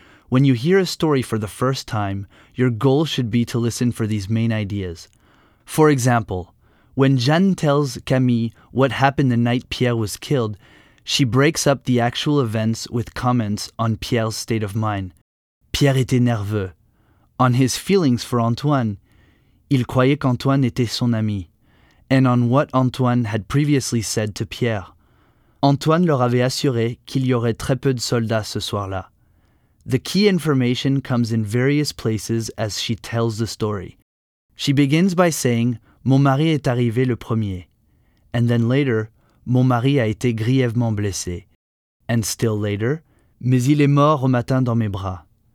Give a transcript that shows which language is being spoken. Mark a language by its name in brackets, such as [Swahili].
[English] When you hear a story for the first time, your goal should be to listen for these main ideas. For example, when Jeanne tells Camille what happened the night Pierre was killed, she breaks up the actual events with comments on Pierre's state of mind. [French] Pierre était nerveux. [English] On his feelings for Antoine. [French] Il croyait qu'Antoine était son ami. [English] And on what Antoine had previously said to Pierre. [French] Antoine leur avait assuré qu'il y aurait très peu de soldats ce soir-là. [English] The key information comes in various places as she tells the story. She begins by saying, [French] Mon mari est arrivé le premier. [English] And then later, [French] Mon mari a été grièvement blessé. [English] And still later, [French] Mais il est mort au matin dans mes bras.